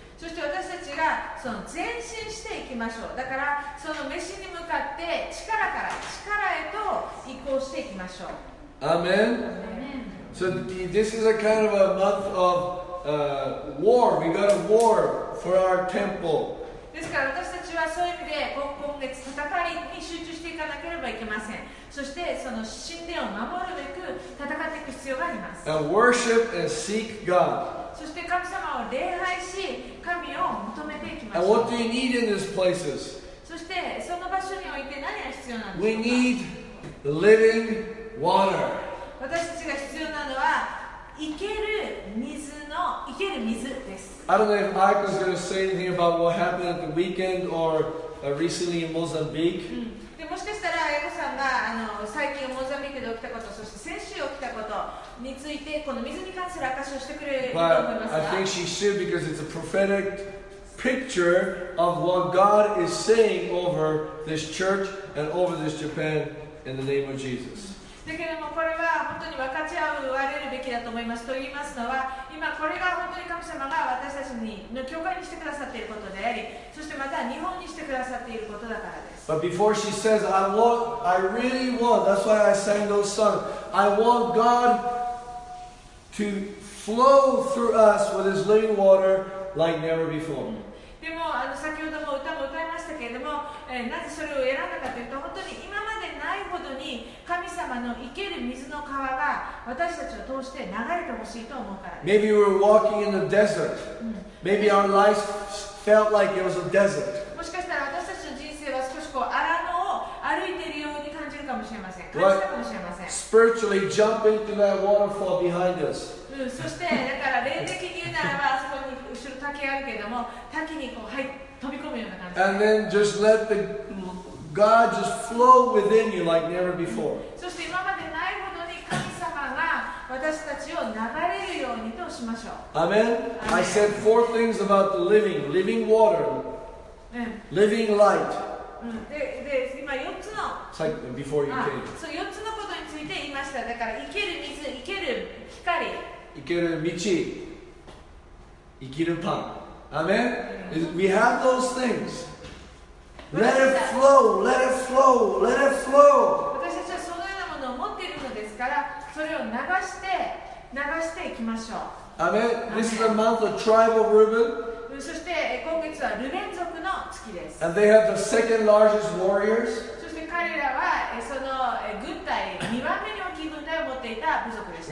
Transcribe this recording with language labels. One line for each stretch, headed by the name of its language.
Japanese: そして私たちがその前進していきましょう。だからその召しに向かって力から力へと移行していきましょう。
English: Amen. So this is a kind of a month of war. We got a war for our temple.
Japanese: ですから私たちはそういう意味で今月戦いに集中していかなければいけません。そしてその神殿を守るべく戦っていく必要があります。
English: And worship and seek God.
Japanese: そして神様を礼拝し、神を求めていきましょう。
English: And what do you need in these places?
Japanese: そしてその場所において
English: We need living water.
Japanese: 私たちが必要なのは
English: I don't know if Mike was going to say anything about what happened at the weekend or recently in Mozambique. But I think she should because it's a prophetic picture of what God is saying over this church and over this Japan in the name of Jesus.
Japanese: だけどもこれは本当に分かち合われるべきだと思いますと言いますのは今これが本当に神様が私たちにの教会にしてくださっていることでありそしてまた日本にしてくださっていることだからです
English: But before she says I want I really want That's why I sang those songs I want God to flow through us with his living water like never before
Japanese: でも先ほども歌も歌いましたけれども、なぜそれを選んだかというと本当に今までないほどに神様の生ける水の川が私たちを通して流れてほしいと思うからです
English: Maybe we were walking in the desert Maybe our life felt like it was a desert
Japanese: もしかしたら私たちの人生は少しこう荒野を歩いているように感じるかもしれません感じたかもしれません
English: But spiritually jump into that waterfall behind us
Japanese: そしてだから霊的に言うならばそこに後ろ滝があるけれども滝にこう入って
English: And then just let the God just flow within you like never before.
Japanese: そして今までないほどに神様が私たちを流れるようにとしましょう。
English: Amen. I said four things about the living, living water, living light.
Japanese: で今四つの。
English: It's like before you came.
Japanese: そう四つのことについて言いました。だから生ける水、生ける光、生ける道、生きるパン。
English: Amen? We have those things. Let it flow, let it flow, let it flow.
Japanese: 私たちはそのようなものを持っているのですから、それを流していきましょう。
English: Amen? This is the month of tribe of Reuben.
Japanese: そして今月はルベン族の月です。
English: And they have the second largest warriors.
Japanese: そして彼らはその軍隊、2番目に大きい軍隊を持っていた部族です。